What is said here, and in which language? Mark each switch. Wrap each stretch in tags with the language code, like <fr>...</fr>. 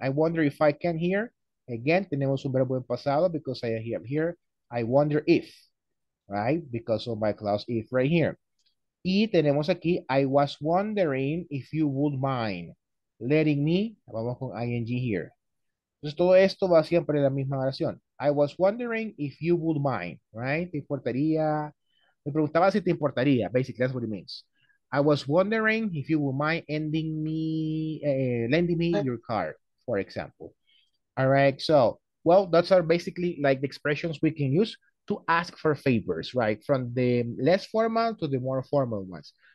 <en>I wonder if I can here. Again,</en> <es>tenemos un verbo en pasado</es> <en>because I am here. I wonder if, right? Because of my clause if right here.</en> <es>Y tenemos aquí,</es> <en>I was wondering if you would mind letting me,</en> <es>vamos con</es> <en>ing here.</en> <es>Entonces todo esto va siempre en la misma oración.</es> <en>I was wondering if you would mind, right?</en> <es>¿Te importaría? Me preguntaba si te importaría.</es> <en>Basically, that's what it means. I was wondering if you would mind lending me your car, for example. All right, so, well, that's are basically like the expressions we can use to ask for favors, right? From the less formal to the more formal ones.</en>